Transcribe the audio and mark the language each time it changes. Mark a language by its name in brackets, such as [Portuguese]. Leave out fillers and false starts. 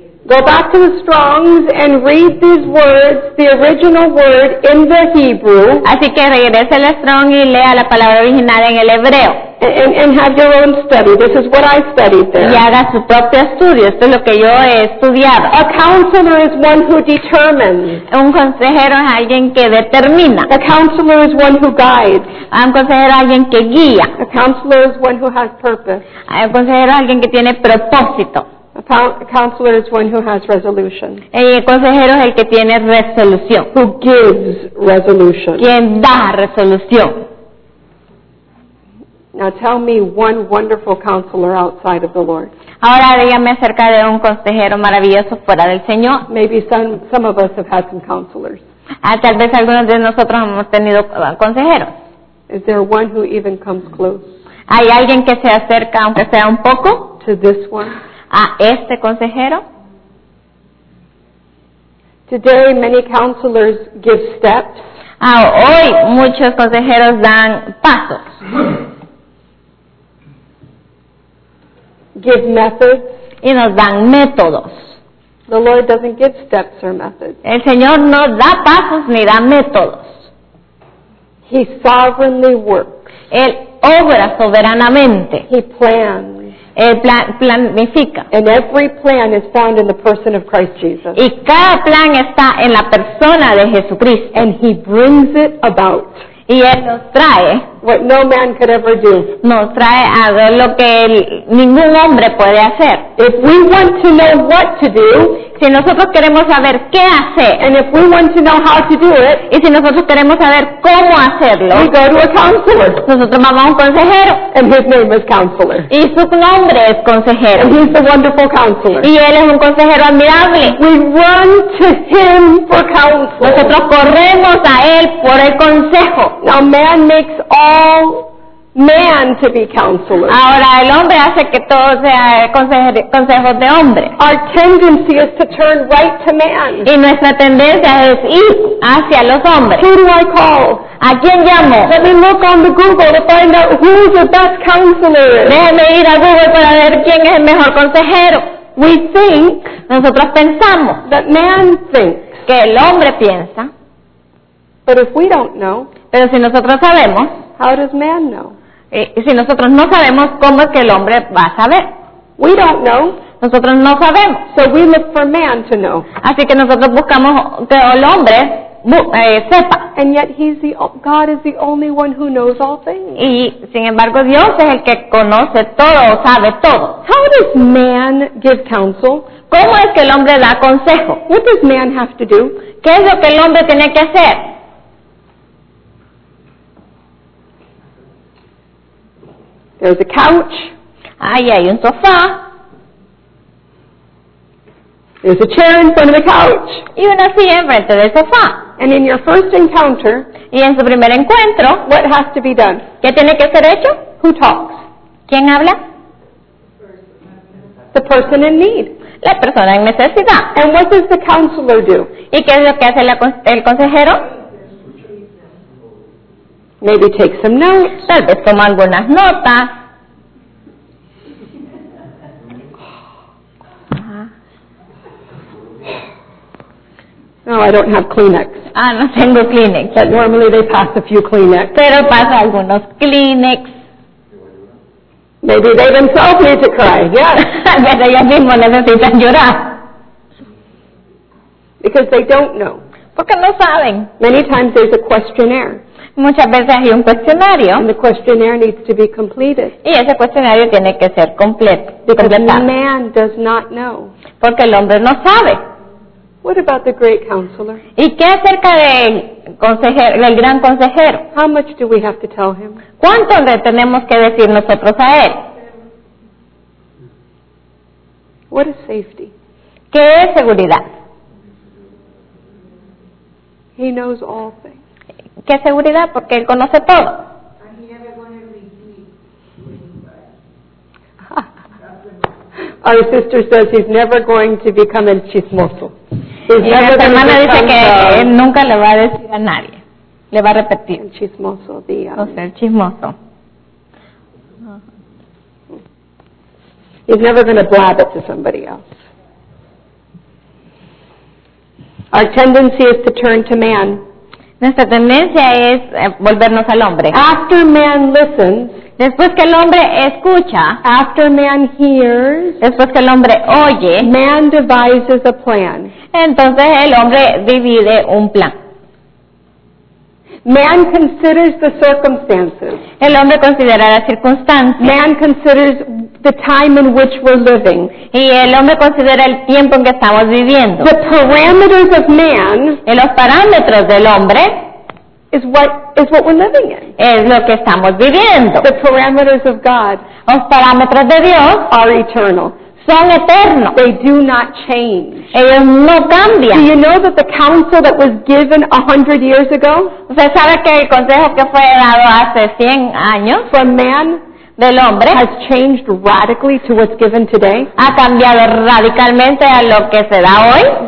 [English] Go back to the Strong's and read these words, the original word in the Hebrew. [Spanish] Así que regrese al Strong y lea la palabra original en el hebreo. [English] And have your own study. This is what I studied there. [Spanish] Y haga su propio estudio. Esto es lo que yo he estudiado. [English] A counselor is one who determines. [Spanish] Un consejero es alguien que determina. [English] A counselor is one who guides. [Spanish] Un consejero es alguien que guía. [English] A counselor is one who has purpose. [Spanish] Un consejero es alguien que tiene propósito. [English] A counselor is one who has resolution. [Spanish] El consejero es el que tiene resolución. [English] Who gives resolution. [Spanish] Quien da resolución. [English] Now tell me one wonderful counselor outside of the Lord. [Spanish] Ahora dígame acerca de un consejero maravilloso fuera del Señor. [English] Maybe some of us have had some counselors. [Spanish] Tal vez algunos de nosotros hemos tenido consejeros. [English] Is there one who even comes close? [Spanish] ¿Hay alguien que se acerca, aunque sea un poco? [English] To this one. [Spanish] ¿A este consejero? [English] Today many counselors give steps. [Spanish] Hoy muchos consejeros dan pasos. [English] Give methods. [Spanish] Y nos dan métodos. [English] The Lord doesn't give steps or methods. [Spanish] El Señor no da pasos ni da métodos. [English] He sovereignly works. [Spanish] Él obra soberanamente. [English] He plans. [Spanish] Planifica. [English] And every plan is found in the person of Christ Jesus. [Spanish] Y cada plan está en la persona de Jesucristo. [English] And he brings it about. [Spanish] Y él nos trae. [English] What no man could ever do. [Spanish] Nos trae a ver lo que ningún hombre puede hacer. [English] If we want to know what to do. [Spanish] Si nosotros queremos saber qué hacer. [English] And if we want to know how to do it. [Spanish] Y si nosotros queremos saber cómo hacerlo. [English] We go to a counselor. [Spanish] Nosotros vamos a un consejero. [English] And his name is counselor. [Spanish] Y su nombre es consejero. [English] And he's a wonderful counselor. [Spanish] Y él es un consejero admirable. [English] We run to him for counsel. [Spanish] Nosotros corremos a él por el consejo. [English] Now man makes all man to be counselor. [Spanish] Ahora el hombre hace que todo sea consejo de hombre. [English] Our tendency is to turn right to man. [Spanish] Y nuestra tendencia es ir hacia los hombres. [English] Who do I call? [Spanish] ¿A quién llamo? [English] Let me look on the Google to find out who the best counselor is. [Spanish] Déjeme ir a Google para ver quién es el mejor consejero. [English] We think. [Spanish] Nosotros pensamos. [English] That man thinks. [Spanish] Que el hombre piensa. [English] But if we don't know. [Spanish] Pero si nosotros sabemos. [English] How does man know? [Spanish] Y si nosotros no sabemos, ¿cómo es que el hombre va a saber? [English] We don't know. [Spanish] Nosotros no sabemos. [English] So we look for man to know. [Spanish] Así que nosotros buscamos que el hombre sepa. [English] And yet God is the only one who knows all things. [Spanish] Y sin embargo, Dios es el que conoce todo, sabe todo. [English] How does man give counsel? [Spanish] ¿Cómo es que el hombre da consejo? [English] What does man have to do? [Spanish] ¿Qué es lo que el hombre tiene que hacer? [English] There's a couch. [Spanish] Ahí hay un sofá. [English] There's a chair in front of the couch. [Spanish] Y una silla enfrente del sofá. [English] And in your first encounter, [Spanish] y en su primer encuentro, [English] what has to be done? [Spanish] ¿Qué tiene que ser hecho? [English] Who talks? [Spanish] ¿Quién habla? [English] The person in need. [Spanish] La persona en necesidad. [English] And what does the counselor do? [Spanish] ¿Y qué es lo que hace el consejero? [English] Maybe take some notes. [Spanish] Tal vez toma algunas notas. [English] No, I don't have Kleenex. [Spanish] No tengo Kleenex. [English] But normally they pass a few Kleenex. [Spanish] Pero pasa algunos Kleenex. [English] Maybe they themselves need to cry, yes. [Spanish] Ellos mismos necesitan llorar. [English] Because they don't know. [Spanish] Porque no saben. [English] Many times there's a questionnaire. [Spanish] Muchas veces hay un cuestionario. [English] And the questionnaire needs to be completed. [Spanish] Y ese cuestionario tiene que ser completo. [English] Because the man does not know. [Spanish] Porque el hombre no sabe. [English] What about the great counselor? [Spanish] ¿Y qué acerca del gran consejero? [English] How much do we have to tell him? [Spanish] ¿Cuánto le tenemos que decir nosotros a él? [English] What is safety? [Spanish] ¿Qué es seguridad? [English] He knows all things. [Spanish] ¿Qué seguridad? Porque él conoce todo. [English] Our sister says he's never going to become [Spanish] el chismoso. Nuestra hermana dice que él nunca le va a decir a nadie. Le va a repetir. El chismoso. O sea, el chismoso. [English] He's never going to blab it to somebody else. Our tendency is to turn to man. [Spanish] Nuestra tendencia es volvernos al hombre. [English] After man listens, [Spanish] Después que el hombre escucha, [English] after man hears, [Spanish] después que el hombre oye, [English] man devises a plan. [Spanish] Entonces el hombre divide un plan. [English] Man considers the circumstances. [Spanish] El hombre considera las circunstancias. [English] Man considers the time in which we're living. [Spanish] Y el hombre considera el tiempo en que estamos viviendo. [English] The parameters of man. [Spanish] Y los parámetros del hombre. [English] Is what we're living in. [Spanish] Es lo que estamos viviendo. [English] The parameters of God. [Spanish] Los parámetros de Dios. [English] Are eternal. [Spanish] Son eternos. [English] They do not change. [Spanish] Ellos no cambian. [English] Do you know that the counsel that was given 100 years ago? [Spanish] ¿Usted sabe que el consejo que fue dado hace 100 años? [English] For man. [Spanish] Del hombre. [English] Has changed radically to what's given today. [Spanish] Ha cambiado radicalmente a lo que se da hoy.